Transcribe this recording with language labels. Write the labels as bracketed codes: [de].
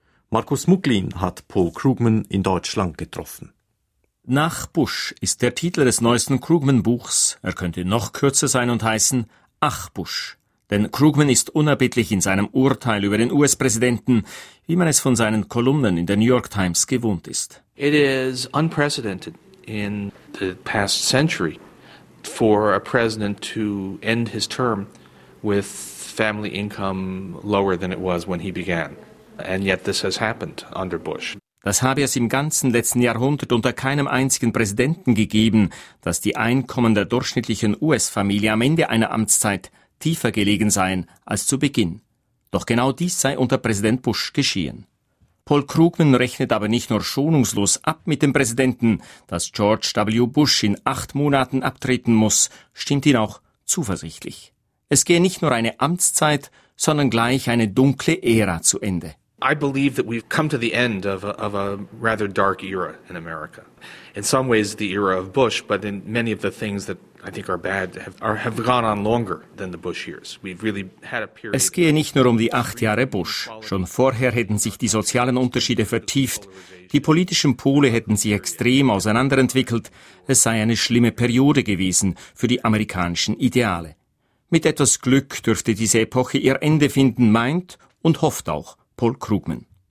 [de] Markus Mucklin hat Paul Krugman in Deutschland getroffen. Nach Bush ist der Titel des neuesten Krugman-Buchs, er könnte noch kürzer sein und heißen Ach Bush. Denn Krugman ist unerbittlich in seinem Urteil über den US-Präsidenten, wie man es von seinen Kolumnen in der New York Times gewohnt ist. [en] It is unprecedented in the past century for a president to end his term with family income lower than it was when he began. And yet this has happened under Bush. [de] Das habe es im ganzen letzten Jahrhundert unter keinem einzigen Präsidenten gegeben, dass die Einkommen der durchschnittlichen US-Familie am Ende einer Amtszeit tiefer gelegen seien als zu Beginn. Doch genau dies sei unter Präsident Bush geschehen. Paul Krugman rechnet aber nicht nur schonungslos ab mit dem Präsidenten, dass George W. Bush in 8 Monaten abtreten muss, stimmt ihn auch zuversichtlich. Es gehe nicht nur eine Amtszeit, sondern gleich eine dunkle Ära zu Ende. [en] I believe that we've come to the end of a rather dark era in America. In some ways the era of Bush, but in many of the things that I think are bad have gone on longer than the Bush years. We've really had a period. [de] Es gehe nicht nur um die 8 Jahre Bush. Schon vorher hätten sich die sozialen Unterschiede vertieft, die politischen Pole hätten sich extrem auseinanderentwickelt. Es sei eine schlimme Periode gewesen für die amerikanischen Ideale. Mit etwas Glück dürfte diese Epoche ihr Ende finden, meint und hofft auch Paul Krugman.